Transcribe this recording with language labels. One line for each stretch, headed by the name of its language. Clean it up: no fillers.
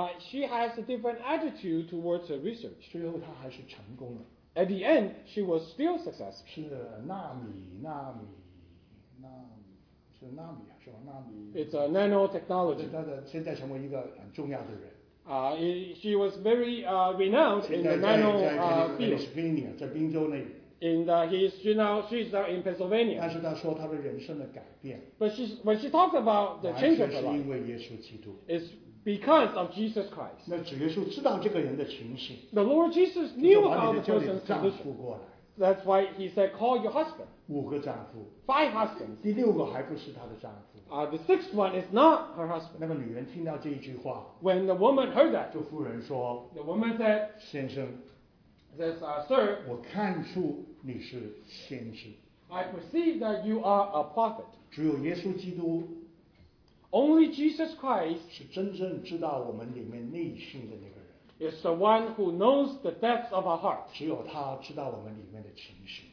English: She has a different attitude towards her research.
Chinese: 最后他还是成功了。
English: At the end, she was still successful.
Chinese: 是纳米。
English: It's a nanotechnology.
Chinese: 现在成为一个很重要的人。
English: She was very renowned in the nano field. In Pennsylvania, in Pennsylvania. She's now in Pennsylvania.
Chinese: 但是她说她的人生的改变。
English: But when she talked about the change of her life,
Chinese: 完全是因为耶稣基督。
English: It's because of Jesus Christ.
Chinese: 那主耶稣知道这个人的情形。
English: The Lord Jesus knew about the person's condition. That's why he said, call your husband.
Chinese: 五个丈夫。
English: Five husbands.
Chinese: 第六个还不是她的丈夫。
English: The sixth one is not her husband.
Chinese: 那个女人听到这一句话。
English: When the woman heard that.
Chinese: 就夫人说。
English: The woman said.
Chinese: 先生。
English: Says, sir.
Chinese: 我看出你是先知。
English: I perceive that you are a prophet.
Chinese: 只有耶稣基督。
English: Only Jesus Christ.
Chinese: 是真正知道我们里面内心的那个人。
English: Is the one who knows the depths of our heart.
Chinese: 只有他知道我们里面的情形。